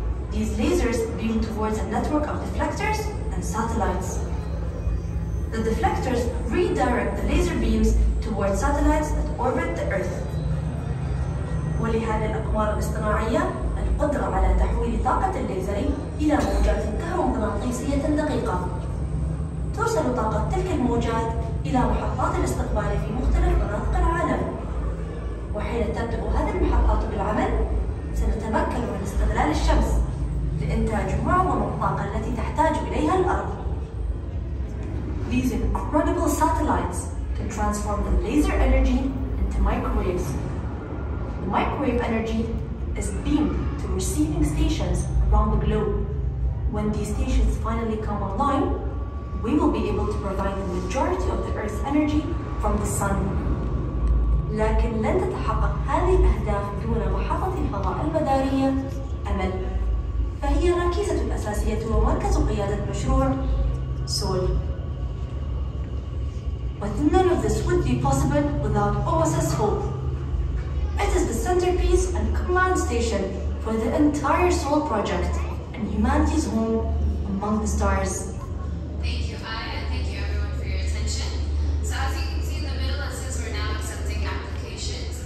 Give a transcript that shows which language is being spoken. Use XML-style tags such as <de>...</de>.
<en>These lasers beam towards a network of deflectors and satellites. The deflectors redirect the laser beams towards satellites that orbit the Earth.</en> <ar>ولهذه الأقمار الاصطناعية القدرة على تحويل طاقة الليزر إلى موجات كهرومغناطيسية دقيقة. توصل طاقة تلك الموجات إلى محطات الاستقبال في مختلف مناطق العالم. وحين تبدأ هذه المحطات بالعمل، سنتمكن من استغلال الشمس لإنتاج معظم الطاقة التي تحتاج إليها الأرض.</ar> <en>These incredible satellites can transform the laser energy into microwaves. Microwave energy is beamed to receiving stations around the globe. When these stations finally come online, we will be able to provide the majority of the Earth's energy from the sun.</en> <ar>لكن لن تتحقق هذه الأهداف دون محطة الفضاء المدارية أمل. فهي ركيزة أساسية ومركز قيادة مشروع سول.</ar> <en>But none of this would be possible without OSS hope. It is the centerpiece and command station for the entire Sol project and humanity's home among the stars. Thank you, Aya, and thank you everyone for your attention. So as you can see in the middle, it says we're now accepting applications.</en>